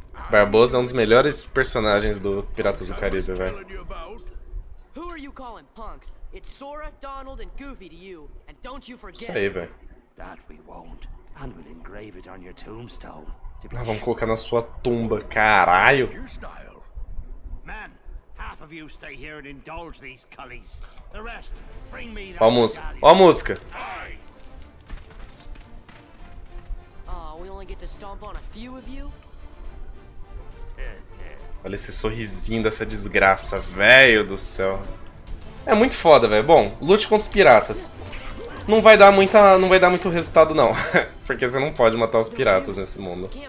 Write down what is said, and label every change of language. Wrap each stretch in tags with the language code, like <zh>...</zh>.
<pt>Barbosa é um dos melhores personagens do Piratas do Caribe, velho.</pt> <en>Who are you calling punks? It's Sora, Donald, and Goofy to you. And don't you forget that we won't. And we'll engrave it on your tombstone.</en> <pt>Ah, vamos colocar na sua tumba, caralho.</pt> <en>Man, half of you stay here and indulge these cullies. The rest, bring me the.</en> <pt>Ó a música.</pt> <en>Oh, we only get to stomp on a few of you.</en> <pt>Olha esse sorrisinho dessa desgraça, velho do céu. É muito foda, velho. Bom, lute contra os piratas. Não vai dar muito resultado, não. Porque você não pode matar os piratas nesse mundo.</pt>